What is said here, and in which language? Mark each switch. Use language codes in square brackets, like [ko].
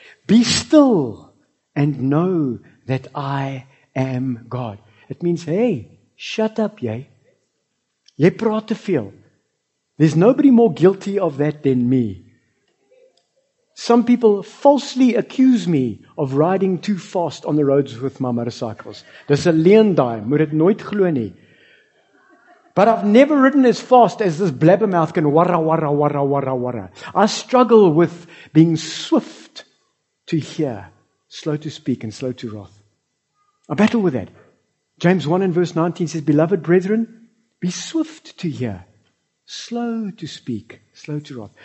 [en] Be still and know that I am God. It means, hey, shut up, yay. [af] Jy praat te veel. [en] There's nobody more guilty of that than me. Some people falsely accuse me of riding too fast on the roads with my motorcycles. [af] Dis 'n leendaai, moet dit nooit glo nie. [en] But I've never ridden as fast as this blabbermouth can warra, warra, warra, warra, warra. I struggle with being swift to hear, slow to speak, and slow to wrath. I battle with that. James 1 and verse 19 says, beloved brethren, be swift to hear, slow to speak, slow to wrath.